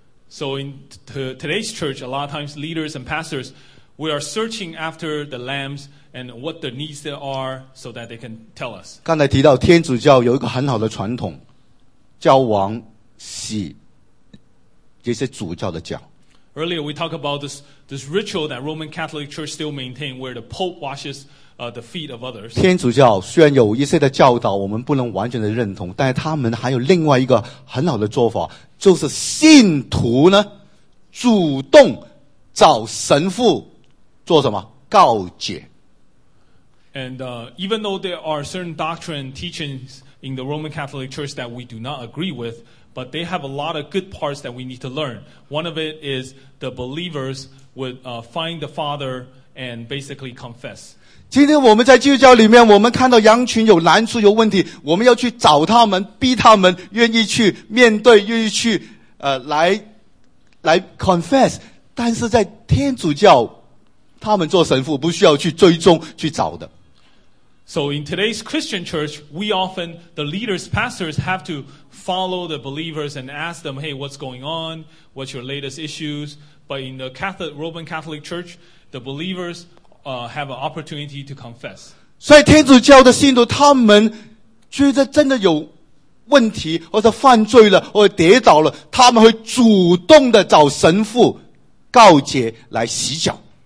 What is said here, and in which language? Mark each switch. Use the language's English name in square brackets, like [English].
[English] So in today's church, a lot of times leaders and pastors, we are searching after the lambs and what the needs there are so that they can tell us. [Chinese] 刚才提到天主教有一个很好的传统，教王洗这些主教的脚。 [English] Earlier we talked about this ritual that Roman Catholic Church still maintain where the Pope washes the feet of others. [Chinese] 天主教虽然有一些的教导我们不能完全的认同，但是他们还有另外一个很好的做法，就是信徒呢主动找神父做什么告解。 [English] And even though there are certain doctrine teachings in the Roman Catholic Church that we do not agree withBut they have a lot of good parts that we need to learn. One of it is the believers would find the Father and basically confess. [Chinese] 今天我们在基督教里面，我们看到羊群有难处、有问题，我们要去找他们，逼他们愿意去面对，愿意去来 confess. 但是在天主教，他们做神父不需要去追踪去找的。 [English] So in today's Christian church, we often, the leaders, pastors have to follow the believers and ask them, hey, what's going on? What's your latest issues? But in the Catholic, Roman Catholic Church, the believers have an opportunity to confess. [Chinese] 所以天主教的信徒他们觉得真的有问题，或者犯罪了，或者跌倒了，他们会主动的找神父告解来洗脚。